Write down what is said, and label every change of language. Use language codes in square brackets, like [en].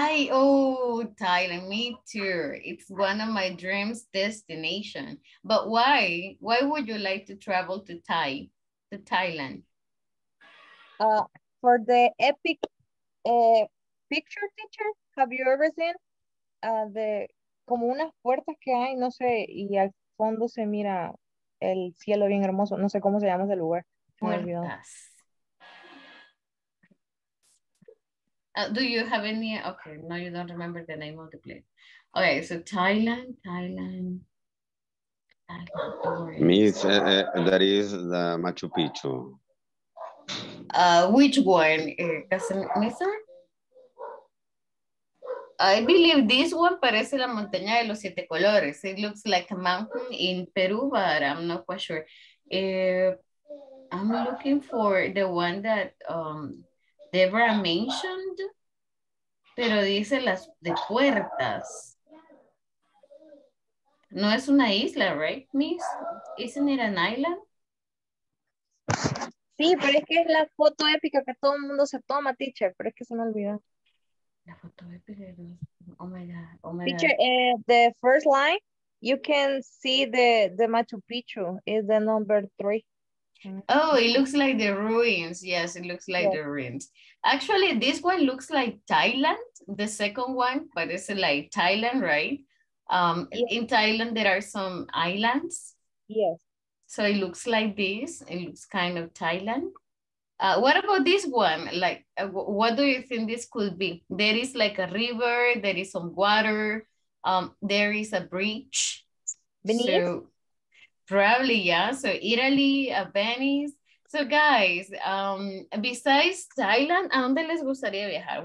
[en] Thailand, me too. It's one of my dreams destination. But why? Why would you like to travel to Thailand? For the epic picture teacher, have you ever seen the... [es] como unas puertas que hay, no sé, y al fondo se mira el cielo bien hermoso. No sé cómo se llama ese lugar. [en] Puertas. Do you have any? Okay, no, you don't remember the name of the place. Okay, so Thailand. Miss, that is the Machu Picchu. Which one? Mister? I believe this one [es] parece la montaña de los siete colores. [en] It looks like a mountain in Peru, but I'm not quite sure. I'm looking for the one that Deborah mentioned, [es] pero dice las de puertas. No es una isla, [en] right, Miss? Isn't it an island? [es] Sí, pero es que es la foto épica que todo el mundo se toma, teacher, pero es que se me olvidó. La foto de Pedro. [en] Oh my God. Oh my teacher, God. Teacher, the first line, you can see the Machu Picchu is the number 3. Oh, it looks like the ruins. Yes, it looks like the ruins. Actually, this one looks like Thailand, the second one, but it's like Thailand, right? In Thailand, there are some islands. Yes. So it looks like this. It looks kind of Thailand. What about this one? Like, what do you think this could be? There is like a river, there is some water, there is a bridge. Venice? So, probably, yeah. So Italy, Venice. So guys, besides Thailand, [es] ¿a dónde les gustaría viajar?